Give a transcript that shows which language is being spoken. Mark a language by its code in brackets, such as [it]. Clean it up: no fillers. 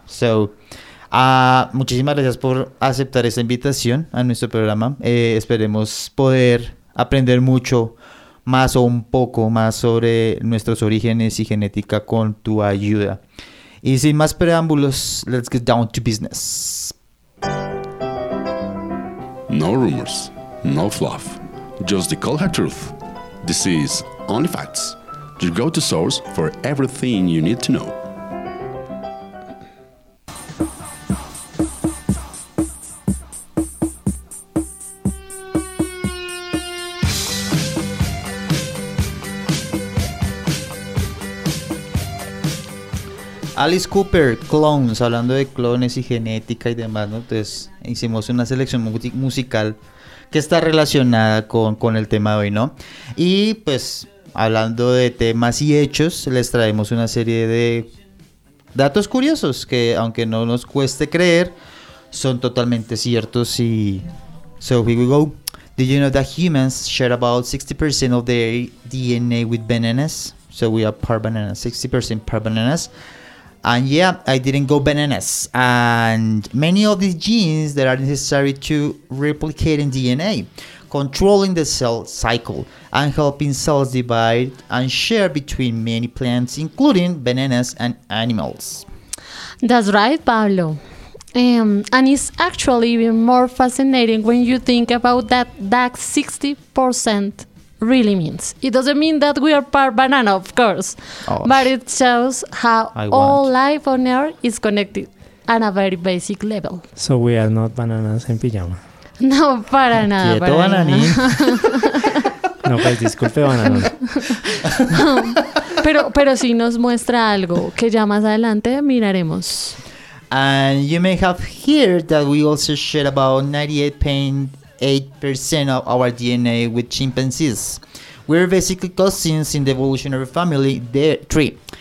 [es] So, muchísimas gracias por aceptar esta invitación a nuestro programa. Esperemos poder aprender mucho más o un poco más sobre nuestros orígenes y genética con tu ayuda. Y sin más preámbulos, [en] let's get down to business. No rumors, no fluff, just the cold hard truth. This is Only Facts, your go-to source for everything you need to know. [es] Alice Cooper, clones, hablando de clones y genética y demás, ¿no? Entonces hicimos una selección musical que está relacionada con el tema de hoy, ¿no? Y pues hablando de temas y hechos, les traemos una serie de datos curiosos que, aunque no nos cueste creer, son totalmente ciertos. [en] Y so here we go. Did you know that humans share about 60% of their DNA with bananas? So we are part bananas, 60% part bananas. And yeah, I didn't go bananas. And many of these genes that are necessary to replicate in DNA, controlling the cell cycle and helping cells divide and share between many plants, including bananas and animals. That's right, Pablo. And it's actually even more fascinating when you think about that 60% really means. It doesn't mean that we are part banana, of course, but it shows how all life on Earth is connected at a very basic level. So we are not bananas in pyjama. [es] No, para nada. Quieto, para bananín. No, pues disculpe, banana. pero si nos muestra algo que ya más adelante miraremos. [en] And you may have heard that we also share about 98.8% of our DNA with chimpanzees. We're basically cousins in the evolutionary family tree.